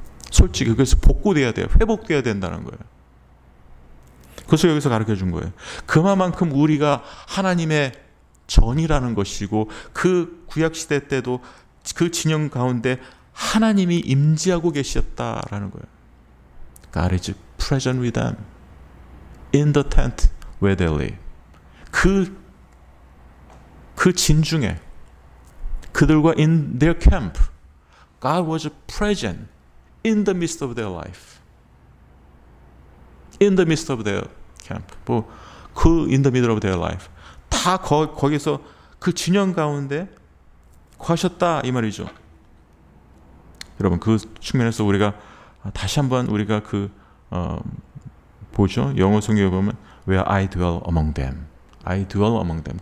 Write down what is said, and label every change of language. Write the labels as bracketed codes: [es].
[ko] 솔직히 그래서 복구돼야 돼요. 회복돼야 된다는 거예요. 그래서 여기서 가르쳐준 거예요. 그만큼 우리가 하나님의 전이라는 것이고 그 구약시대 때도 그 진영 가운데 하나님이 임재하고 계셨다라는 거예요. [en] God is present with them in the tent where they live. [ko] 그 진 중에 그들과 [en] in their camp, God was present in the midst of their life. In the midst of their camp. [ko] 뭐, 그 [en] in the middle of their life. [ko] 다 거기서 그 진영 가운데 거하셨다 이 말이죠. 여러분 그 측면에서 우리가 다시 한번 우리가 그 보죠. 영어 성경에 보면 [en] where I dwell among them. I dwell among them.